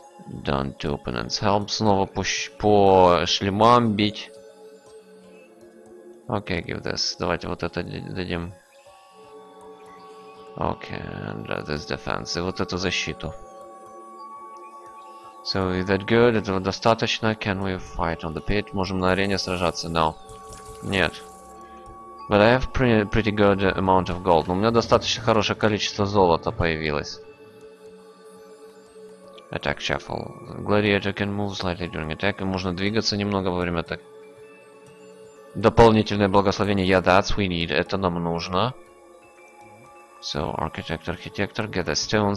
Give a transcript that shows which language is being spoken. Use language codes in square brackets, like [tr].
[en] Don't do opponent's help. [ru] Снова по шлемам бить. [en] Окей, okay, give this. [ru] Давайте вот это дадим. Окей, [en] okay, this defense. [ru] И вот эту защиту. [en] So, is that good? [ru] Этого достаточно? [en] Can we fight on the pit? [ru] Можем на арене сражаться? [en] No. [ru] Нет. [en] But I have pretty good amount of gold. [ru] Но у меня достаточно хорошее количество золота появилось. [en] Attack shuffle. Gladiator can move slightly during attack. [ru] И можно двигаться немного во время атаки. Дополнительное благословение. [en] Yeah, that's we need. [ru] Это нам нужно. [en] So, architect, architector, get the stones.